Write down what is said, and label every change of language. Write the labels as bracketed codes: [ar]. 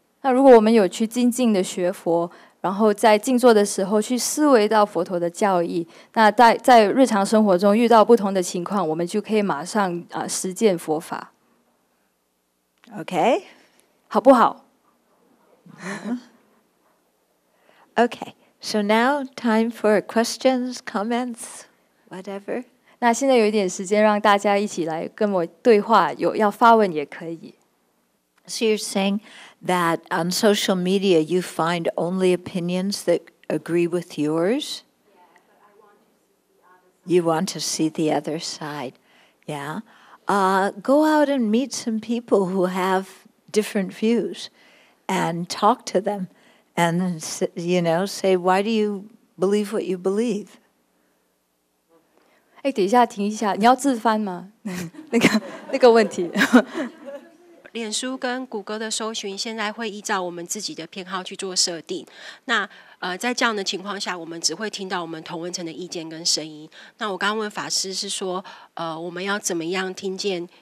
[zh] 那如果我们有去精进的学佛，然后在静坐的时候去思维到佛陀的教义，那在日常生活中遇到不同的情况，我们就可以马上实践佛法。 [en] Okay, [zh] 好不好 [en] ？Okay, so now time for questions, comments. Whatever. [zh] 那现在有一点时间，让大家一起来跟我对话。有要发问也可以。 [en] So you're saying that on social media you find only opinions that agree with yours. Yeah, but I want to see the other side. You want to see the other side. Yeah. Go out and meet some people who have different views, and talk to them, and you know, say why do you believe what you believe. [zh] 哎，等一下，停一下，你要自翻吗？那个问题，脸书跟谷歌的搜寻现在会依照我们自己的偏好去做设定。那在这样的情况下，我们只会听到我们同温层的意见跟声音。那我刚刚问法师是说，我们要怎么样听见